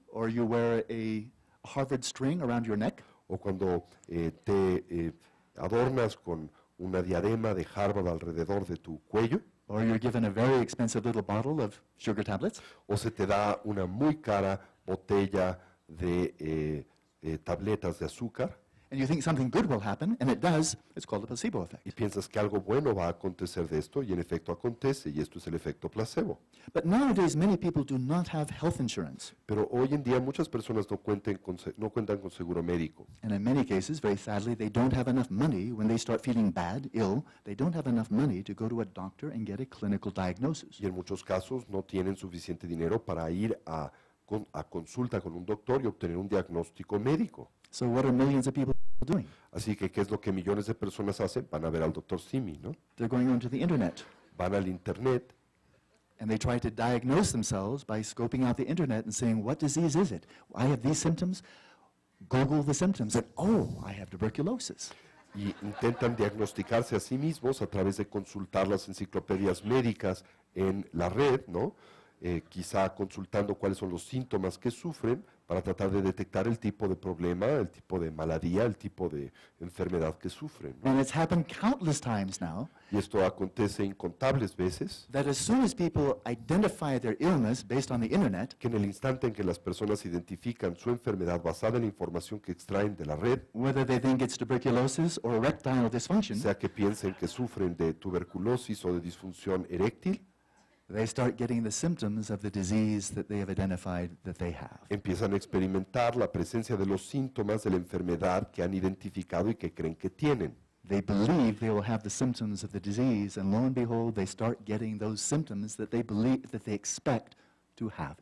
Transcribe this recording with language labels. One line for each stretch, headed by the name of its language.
English: or you wear a Harvard string around your neck,
Spanish: o cuando te adornas con una diadema de Harvard alrededor de tu cuello,
English: or you're given a very expensive little bottle of sugar tablets,
Spanish: o se te da una muy cara botella de tabletas de azúcar,
English: and you think something good will happen, and it does, it's called a placebo effect.
Spanish: Y piensas que algo bueno va a acontecer de esto, y en efecto acontece, y esto es el efecto placebo.
English: But nowadays, many people do not have health insurance.
Spanish: Pero hoy en día, muchas personas no cuentan con seguro médico.
English: And in many cases, very sadly, they don't have enough money when they start feeling bad, ill, they don't have enough money to go to a doctor and get a clinical diagnosis.
Spanish: Y en muchos casos, no tienen suficiente dinero para ir a consulta con un doctor y obtener un diagnóstico médico.
English: So what are millions of people doing?
Spanish: Así que, ¿qué es lo que millones de personas hacen? Van a ver al doctor Simi, ¿no?
English: They're going onto the internet.
Spanish: Van al internet.
English: And they try to diagnose themselves by scoping out the internet and saying, what disease is it? I have these symptoms. Google the symptoms. And, oh, I have tuberculosis.
Spanish: Y intentan diagnosticarse a sí mismos a través de consultar las enciclopedias médicas en la red, ¿no? Quizá consultando cuáles son los síntomas que sufren para tratar de detectar el tipo de problema, el tipo de maladía, el tipo de enfermedad que sufren.
English: And it's happened countless times now,
Spanish: y esto acontece incontables veces,
English: that as soon as people identify their illness based on the internet,
Spanish: que en el instante en que las personas identifican su enfermedad basada en la información que extraen de la red,
English: whether they think it's tuberculosis or erectile dysfunction,
Spanish: sea que piensen que sufren de tuberculosis o de disfunción eréctil,
English: they start getting the symptoms of the disease that they have identified that they have.
Spanish: Empiezan a experimentar la presencia de los síntomas de la enfermedad que han identificado y que creen que tienen.
English: They believe they will have the symptoms of the disease, and lo and behold, they start getting those symptoms that they believe that they expect to have.